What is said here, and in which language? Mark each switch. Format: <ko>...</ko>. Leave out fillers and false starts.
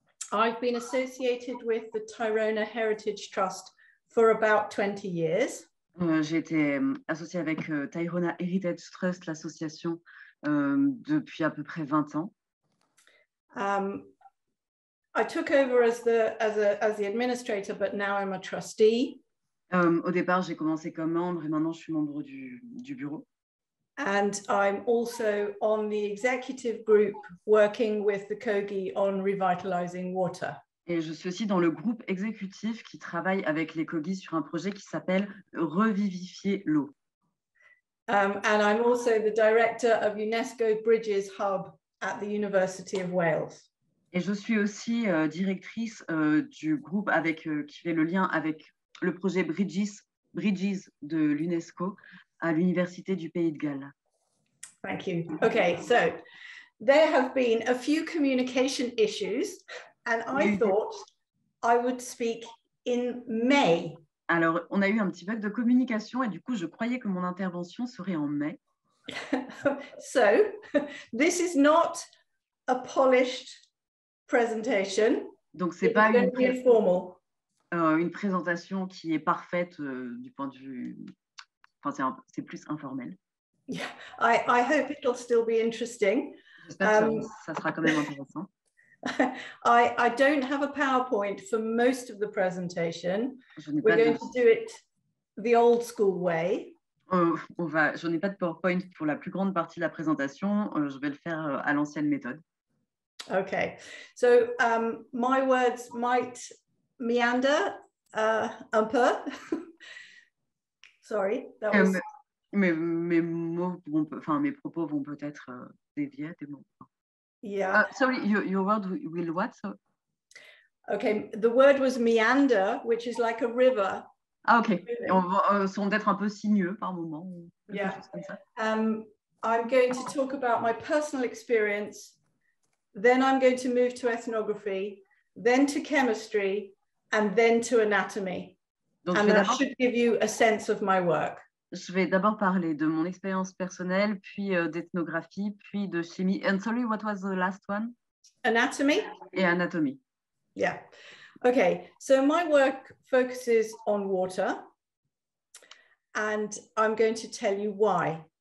<en>I've been associated with the Tairona Heritage Trust for about 20 years.</en> <fr>J'ai été associée avec Tairona Heritage Trust, l'association, depuis à peu près 20 ans.</fr> <en>I took over as the administrator, but now I'm a trustee.</en> <fr>Au départ, j'ai commencé comme membre et maintenant je suis membre du bureau.</fr> <en>And I'm also on the executive group working with the COGI on revitalizing water.</en> <fr>Et je suis aussi dans le groupe exécutif qui travaille avec les COGI sur un projet qui s'appelle Revivifier l'eau.</fr> <en>And I'm also the director of UNESCO Bridges Hub at the University of Wales.</en> <fr>Et je suis aussi directrice du groupe avec qui fait le lien avec le projet Bridges de l'UNESCO à l'Université du Pays de Galles.</fr> <en>Thank you. Okay, so there have been a few communication issues, and I thought I would speak in May.</en> <fr>Alors, on a eu un petit bug de communication et du coup, je croyais que mon intervention serait en mai.</fr> <en>So, this is not a polished presentation.</en> <fr>Donc, ce n'est pas une présentation qui est parfaite du point de vue... Enfin, c'est plus informel.</fr> <en>Yeah, I hope it'll still be interesting.</en> <fr>J'espère que ça sera quand même intéressant.</fr> <en>I don't have a PowerPoint for most of the presentation. We're going to do it the old school way.</en> <fr>Je n'ai pas de PowerPoint pour la plus grande partie de la présentation. Je vais le faire à l'ancienne méthode.</fr> <en>Okay. So my words might meander</en> <fr>un peu.</fr> <en>Sorry, that was.</en> <fr>Mes propos vont peut-être dévier des mots.</fr> <en>Yeah. Your word will what? So... Okay, the word was meander, which is like a river. Ah, okay.</en> <fr>On va, sont d'être un peu sinueux par moment.</fr> <en>Yeah. I'm going to talk about my personal experience. Then I'm going to move to ethnography, then to chemistry, and then to anatomy.</en> <fr>Donc,</fr> <en>and that should give you a sense of my work.</en> <fr>Je vais d'abord parler de mon expérience personnelle, puis d'ethnographie, puis de chimie.</fr> <en>And sorry, what was the last one? Anatomy.</en> <fr>Et anatomie.</fr> <en>Yeah. Okay. So my work focuses on water. And I'm going to tell you why.</en>